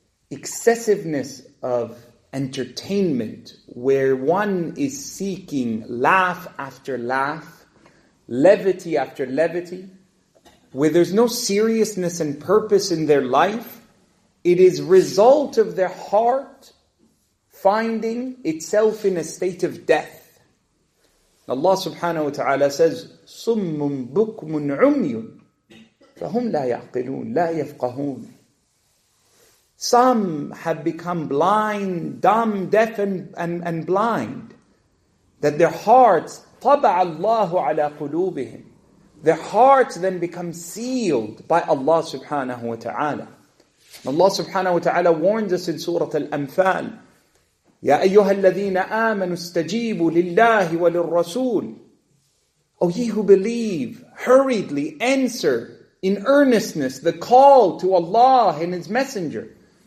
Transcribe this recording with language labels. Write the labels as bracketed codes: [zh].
[en] Excessiveness of entertainment, where one is seeking laugh after laugh, levity after levity, where there's no seriousness and purpose in their life, it is result of their heart finding itself in a state of death. [ar] Allah subhanahu wa ta'ala says, صُمٌّ بُكْمٌ عُمْيٌ فَهُمْ لَا يَعْقِلُونَ لَا يَفْقَهُونَ. [en] Some have become blind, dumb, deaf and blind, that their hearts, [ar] طَبَعَ اللَّهُ عَلَىٰ قُلُوبِهِمْ. [en] Their hearts then become sealed by Allah subhanahu wa ta'ala. Allah subhanahu wa ta'ala warns us in Surah Al-Anfal, [ar] يَا أَيُّهَا الَّذِينَ آمَنُوا اسْتَجِيبُوا لِلَّهِ وَلِلْرَّسُولِ. [en] O ye who believe, hurriedly answer in earnestness the call to Allah and His Messenger.